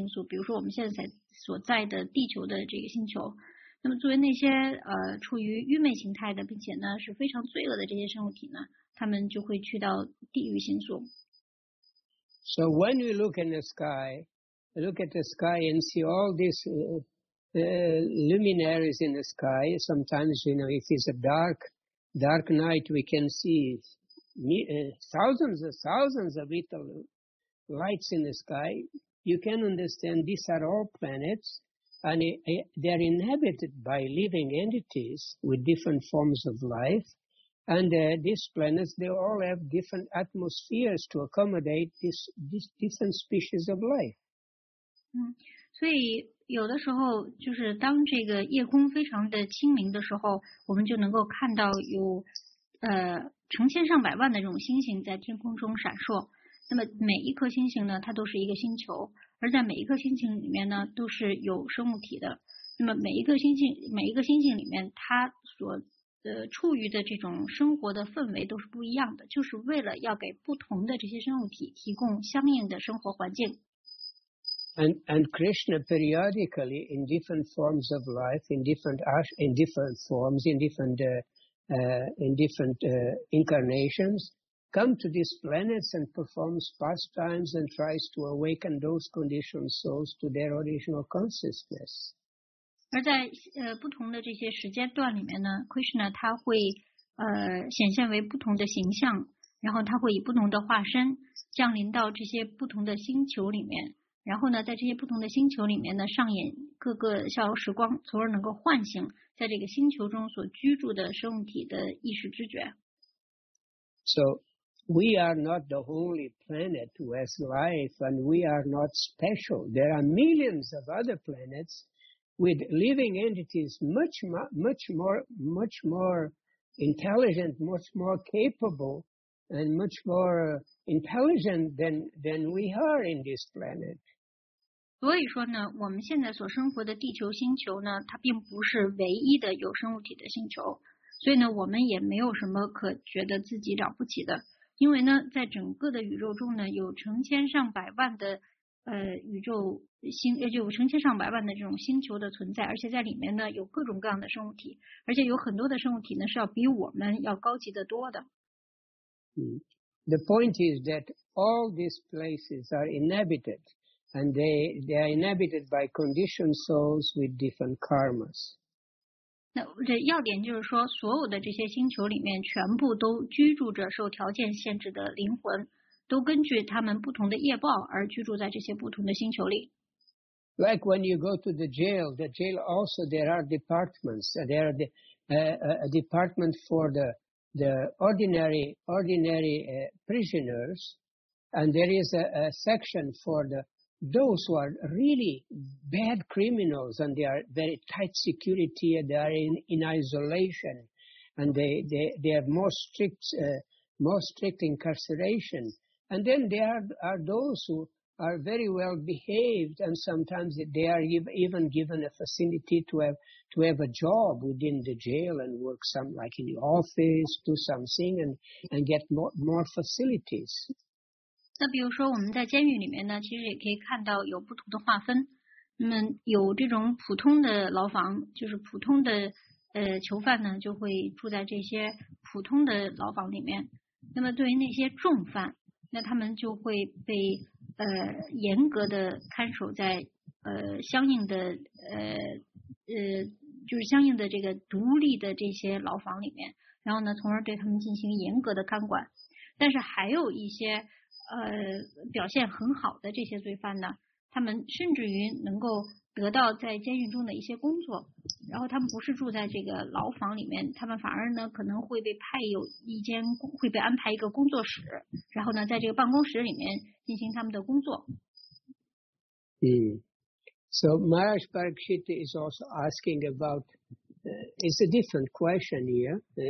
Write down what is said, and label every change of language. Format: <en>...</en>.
<zh>作为那些有很好的业报，然后处于善良形态的人呢，他们就可以去到高等星宿，在那里进享荣华，并且呢有着很长、很漫长的生命。然后，处于相对于激情形态的这些生物体呢，他们就会来到这个中等星宿，比如说我们现在所在的地球的这个星球。那么作为那些处于愚昧形态的，并且呢是非常罪恶的这些生物体呢，他们就会去到地狱星宿。</zh> <en>So when we look in the sky, look at the sky and see all these luminaries in the sky. Sometimes, you know, if it's a dark night, we can see thousands of little lights in the sky. You can understand these are all planets. And they are inhabited by living entities with different forms of life. And these planets, they all have different atmospheres to accommodate these different species of life.</en> <zh>有的时候就是当这个夜空非常的清明的时候，我们就能够看到有成千上百万的这种星星在天空中闪烁。那么每一颗星星呢，它都是一个星球，而在每一颗星星里面呢，都是有生物体的。那么每一个星星里面，它所处于的这种生活的氛围都是不一样的，就是为了要给不同的这些生物体提供相应的生活环境。</zh> <en>And Krishna periodically in different forms of life, in different incarnations, come to these planets and performs pastimes and tries to awaken those conditioned souls to their original consciousness.</en> <zh>而在不同的这些时间段里面呢 ，Krishna 他会显现为不同的形象，然后他会以不同的化身降临到这些不同的星球里面。然后呢，在这些不同的星球里面呢，上演各个逍遥时光，从而能够唤醒在这个星球中所居住的生物体的意识知觉。</zh> <en>So we are not the only planet who has life, and we are not special. There are millions of other planets with living entities much more intelligent, much more capable, and much more intelligent than we are in this planet.</en> <zh>所以说呢，我们现在所生活的地球星球呢，它并不是唯一的有生物体的星球，所以呢，我们也没有什么可觉得自己了不起的，因为呢，在整个的宇宙中呢，有成千上百万的宇宙星，就成千上百万的这种星球的存在，而且在里面呢，有各种各样的生物体，而且有很多的生物体呢，是要比我们要高级的多的。</zh> <en>The point is that all these places are inhabited. And they are inhabited by conditioned souls with different karmas.</en> <zh>那这要点就是说，所有的这些星球里面全部都居住着受条件限制的灵魂，都根据他们不同的业报而居住在这些不同的星球里。</zh> <en>Like when you go to the jail also there are departments. There are a department for the ordinary prisoners, and there is a section for those who are really bad criminals, and they are very tight security, and they are in isolation, and they have more strict incarceration. And then there are those who are very well behaved, and sometimes they are even given a facility to have a job within the jail and work some like in the office, do something and get more facilities.</en> <zh>那比如说我们在监狱里面呢，其实也可以看到有不同的划分。那么有这种普通的牢房，就是普通的囚犯呢，就会住在这些普通的牢房里面。那么对于那些重犯，那他们就会被严格的看守在相应的这个独立的这些牢房里面，然后呢，从而对他们进行严格的看管。但是还有一些。表现很好的这些罪犯呢，他们甚至于能够得到在监狱中的一些工作，然后他们不是住在这个牢房里面，他们反而呢可能会被派有一间会被安排一个工作室，然后呢在这个办公室里面进行他们的工作。</zh> <en>So Maharaj Parikshit is also asking about, it's a different question here.</en>